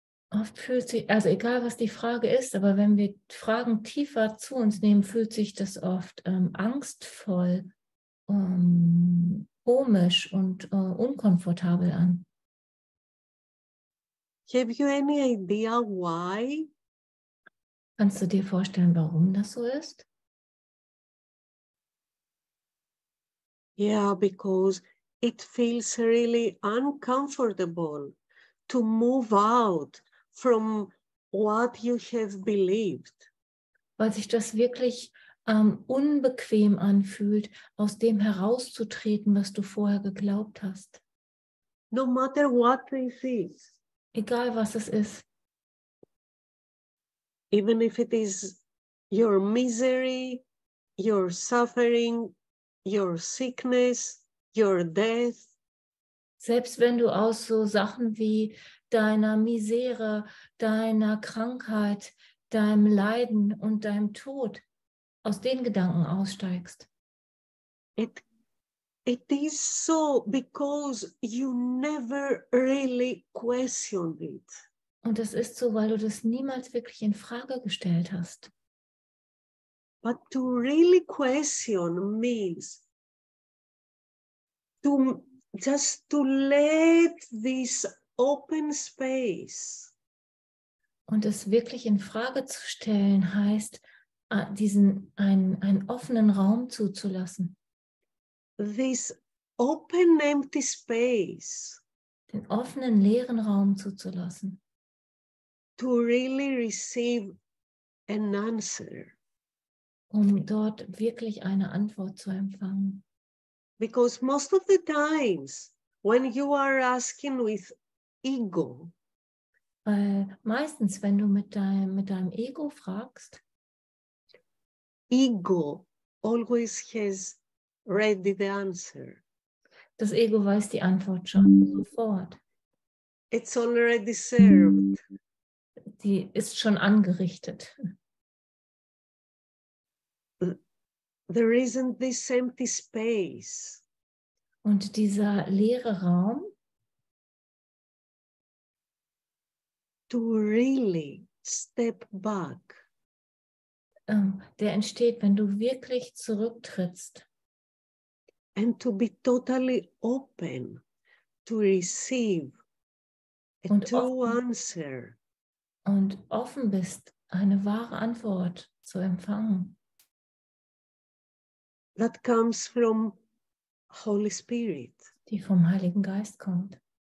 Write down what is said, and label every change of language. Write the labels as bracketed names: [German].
[German] Oft fühlt sich, also egal was die Frage ist, aber wenn wir Fragen tiefer zu uns nehmen, fühlt sich das oft angstvoll, komisch und unkomfortabel an. [English] Have you any idea why? [German] Kannst du dir vorstellen, warum das so ist? [English] Yeah, because it feels really uncomfortable to move out from what you have believed. [German] Weil sich das wirklich unbequem anfühlt, aus dem herauszutreten, was du vorher geglaubt hast. [English] No matter what it is. [German] Egal was es ist. [English] Even if it is your misery, your suffering, your sickness, your death. [German] Selbst wenn du aus so Sachen wie deiner Misere, deiner Krankheit, deinem Leiden und deinem Tod, aus den Gedanken aussteigst. [English] It is so because you never really questioned it. [German] Und das ist so, weil du das niemals wirklich in Frage gestellt hast. [English] But to really question means to just to let this open space. [German] Und es wirklich in Frage zu stellen heißt, diesen einen offenen Raum zuzulassen. [English] This open empty space. [German] Den offenen leeren Raum zuzulassen. [English] To really receive an answer. [German] Um dort wirklich eine Antwort zu empfangen. [English] Because most of the times when you are asking with ego. [German] Weil meistens, wenn du mit deinem Ego fragst, [English] Ego always has ready the answer. [German] Das Ego weiß die Antwort schon sofort. [English] It's already served. [German] Die ist schon angerichtet. [English] There isn't this empty space. [German] Und dieser leere Raum. [English] To really step back. [German] Der entsteht, wenn du wirklich zurücktrittst. [English] And to be totally open to receive a true answer. [German] Und offen bist, eine wahre Antwort zu empfangen. [English] That comes from Holy Spirit. [German] Die vom Heiligen Geist kommt.